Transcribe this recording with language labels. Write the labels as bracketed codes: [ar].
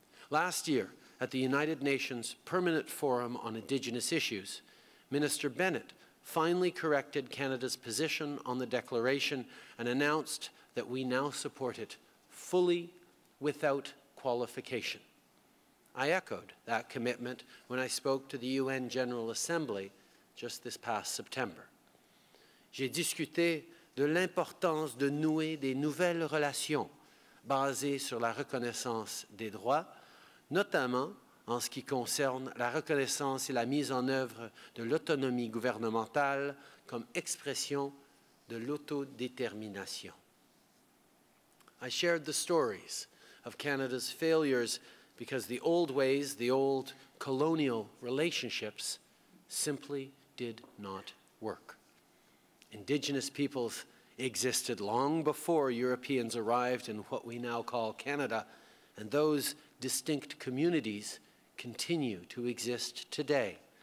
[en] Last year, at the United Nations Permanent Forum on Indigenous Issues, Minister Bennett finally corrected Canada's position on the declaration and announced that we now support it fully without qualification. I echoed that commitment when I spoke to the UN General Assembly just this past September. [fr] J'ai discuté de l'importance de nouer des nouvelles relations basées sur la reconnaissance des droits, notamment en ce qui concerne la reconnaissance et la mise en œuvre de l'autonomie gouvernementale comme expression de l'autodétermination. [en] I shared the stories of Canada's failures because the old ways, the old colonial relationships, simply did not work. Indigenous peoples existed long before Europeans arrived in what we now call Canada, and those distinct communities continue to exist today.